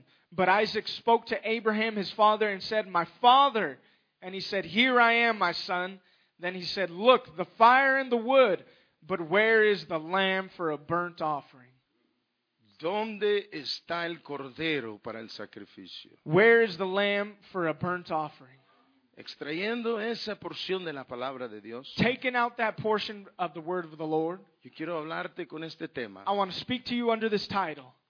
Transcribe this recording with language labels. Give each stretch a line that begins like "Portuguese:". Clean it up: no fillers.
English: But Isaac spoke to Abraham, his father, and said, My father. And he said, Here I am, my son. Then he said, Look, the fire and the wood, but where is the lamb for a burnt offering?
Spanish: ¿Dónde está el cordero para el sacrificio?
English: Where is the lamb for a burnt offering?
Spanish: Extrayendo esa porción de la palabra de Dios,
English: taking out that portion of the word of the Lord,
Spanish: yo quiero hablarte con este tema.
English: I want to speak to you under this title.